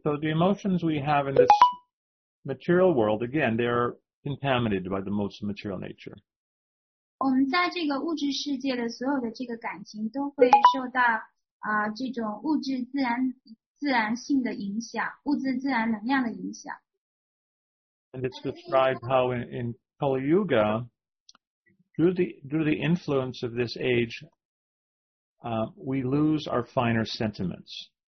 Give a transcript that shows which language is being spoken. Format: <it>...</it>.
<en>so the emotions we have in this material world, again, they are contaminated by the most material nature.</en> <zh>我们在这个物质世界的所有的这个感情都会受到这种物质自然性的影响，物质自然能量的影响。</zh> <en>And it's described how in Kali Yuga, Through the influence of this age, we lose our finer sentiments.</en>